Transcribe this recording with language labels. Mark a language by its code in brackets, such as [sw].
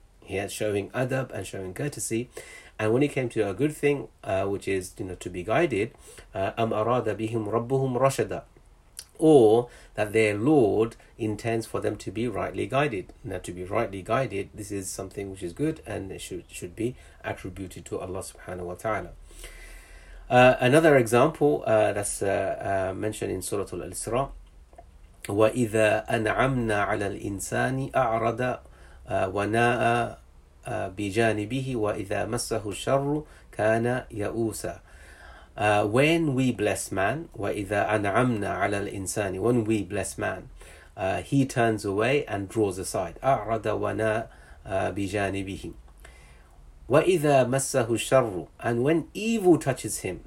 [en] Here, showing adab and showing courtesy. And when it came to a good thing, which is to be guided, [ar] أَمْ أَرَادَ بِهِمْ رَبُّهُمْ رَشَدًا, [en] or that their Lord intends for them to be rightly guided. Now, to be rightly guided, this is something which is good and it should be attributed to Allah subhanahu wa ta'ala. Another example mentioned in Surah Al-Isra, [ar] وَإِذَا أَنْعَمْنَا عَلَى الْإِنسَانِ أَعْرَضَ وَنَاءَ بِجَانِبِهِ وَإِذَا مَسَّهُ الشَّرُّ كَانَ يَؤُوسًا. [en] When we bless man, [ar] وَإِذَا أَنْعَمْنَا عَلَى الْإِنسَانِ, [en] when we bless man, he turns away and draws aside. [ar] أَعْرَضَ وَنَاءَ بِجَانِبِهِ. وَإِذَا مَسَّهُ الشَّرُّ, [en] and when evil touches him.